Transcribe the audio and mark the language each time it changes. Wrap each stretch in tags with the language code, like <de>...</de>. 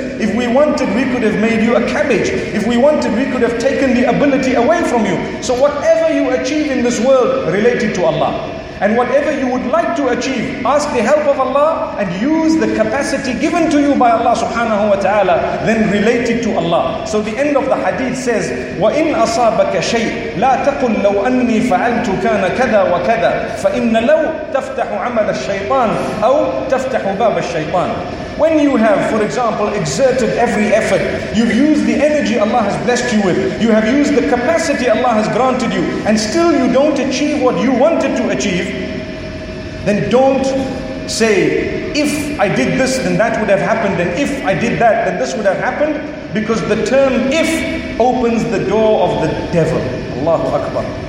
<en>If we wanted, we could have made you a cabbage. If we wanted, we could have taken the ability away from you. So whatever you achieve in this world, related to Allah. And whatever you would like to achieve, ask the help of Allah and use the capacity given to you by Allah subhanahu wa ta'ala, then relate it to Allah. So the end of the hadith says,</en> <ar>وَإِنْ أَصَابَكَ شَيْءٍ لَا تَقُلْ لَوْ أَنِّي فَعَلْتُ كَانَ كَذَا وَكَذَا فَإِنَّ لَوْ تَفْتَحُ عَمَلَ الشَّيْطَانِ أَوْ تَفْتَحُ بَابَ الشَّيْطَانِ.</ar> <en>When you have, for example, exerted every effort, you've used the energy Allah has blessed you with, you have used the capacity Allah has granted you, and still you don't achieve what you wanted to achieve, then don't say, if I did this, then that would have happened, and if I did that, then this would have happened, because the term if opens the door of the devil. Allahu Akbar.</en>